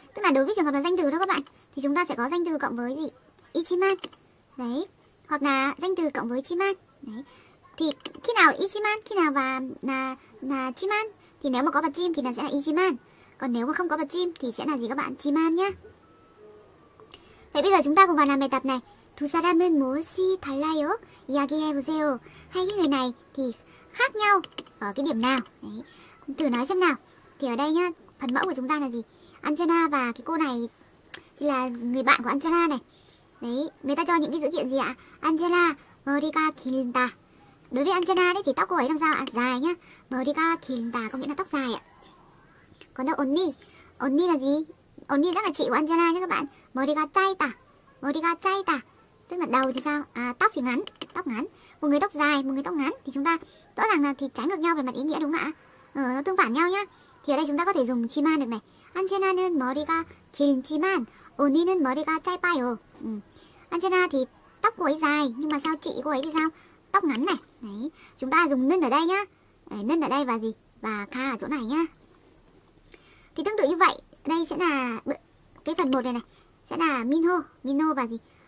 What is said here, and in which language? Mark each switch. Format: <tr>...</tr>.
<vi>Tức là đối với trường hợp là danh từ đó các bạn, thì chúng ta sẽ có danh từ cộng với gì? Ichiman. Đấy. Hoặc là danh từ cộng với chiman. Đấy. Thì khi nào ichiman, khi nào và là chiman, thì nếu mà có bật chim thì sẽ là ichiman. Còn nếu mà không có bật chim thì sẽ là gì các bạn? Chiman nhá. Vậy bây giờ chúng ta cùng vào làm bài tập này.</vi> <ko>두 사람은 무엇이 달라요? 이야기해보세요.</ko> <vi>Hai cái người này thì khác nhau ở cái điểm nào? Đấy. Thử nói xem nào. Thì ở đây nhá, phần mẫu của chúng ta là gì? Anjana và cái cô này thì là người bạn của Anjana này. Đấy, người ta cho những cái dữ kiện gì ạ?</vi> <ko>Anjana, 머리가 길다.</ko> <vi>Đối với Anjana đấy thì tóc cô ấy làm sao ạ? Dài nhá.</vi> <ko>머리가 길다</ko> <vi>có nghĩa là tóc dài ạ. Còn đâu Onni? Onni là gì? Onni rất là chị của Anjana nhá các bạn.</vi> <ko>머리가 짧다. 머리가 짧다.</ko> <vi>Tức là đầu thì sao? À, tóc thì ngắn, tóc ngắn. Một người tóc dài, một người tóc ngắn thì chúng ta rõ ràng là thì trái ngược nhau về mặt ý nghĩa đúng không ạ? Ờ, nó tương phản nhau nhá. Thì ở đây chúng ta có thể dùng chiman được này.</vi> <ko>Anjana는 머리가 길지만 언니는 머리가 짧아요.</ko> <vi>Anjana thì tóc cô ấy dài nhưng mà sao chị cô ấy thì sao? Tóc ngắn này. Đấy. Chúng ta dùng nên ở đây nhá. Đấy, nên ở đây và gì? Và ka ở chỗ này nhá. Thì tương tự như vậy, đây sẽ là cái phần 1 này này. Sẽ là Minho, Minho và gì?</vi>